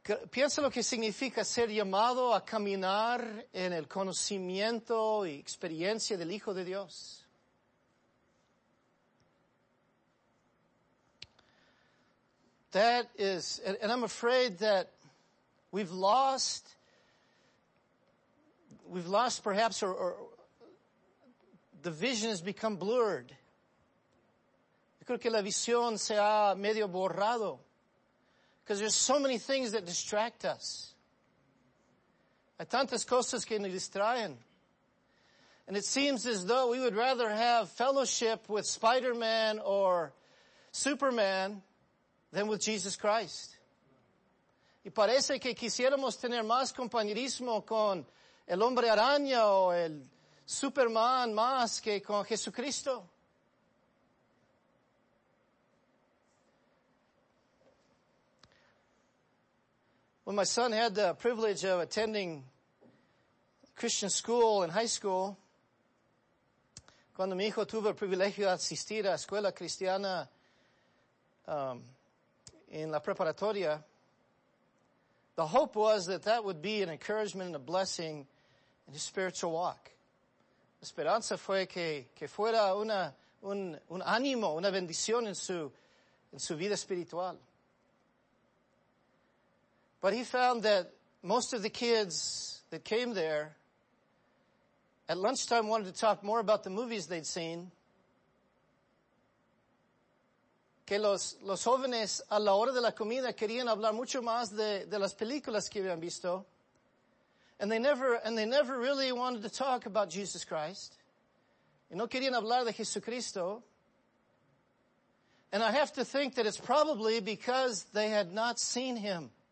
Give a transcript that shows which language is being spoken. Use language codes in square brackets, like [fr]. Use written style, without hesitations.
[es] Piensa lo que significa ser llamado a caminar en el conocimiento y experiencia del Hijo de Dios. [en] That is, and I'm afraid that we've lost perhaps, or the vision has become blurred. [es] Yo creo que la visión se ha medio borrado. [en] Because there's so many things that distract us. [es] Hay tantas cosas que nos distraen. [en] And it seems as though we would rather have fellowship with Spider-Man or Superman than with Jesus Christ. [es] Y parece que quisiéramos tener más compañerismo con el Hombre Araña o el Superman más que con Jesucristo. [en] When my son had the privilege of attending Christian school in high school, [es] cuando mi hijo tuvo el privilegio de asistir a escuela cristiana en la preparatoria, [en] the hope was that that would be an encouragement and a blessing in his spiritual walk. [es] La esperanza fue que fuera un ánimo, una bendición en su vida espiritual. [en] But he found that most of the kids that came there at lunchtime wanted to talk more about the movies they'd seen. [es] Que los jóvenes a la hora de la comida querían hablar mucho más de las películas que habían visto. [en] And they never really wanted to talk about Jesus Christ. [es] Y no querían hablar de Jesucristo. [en] And I have to think that it's probably because they had not seen him.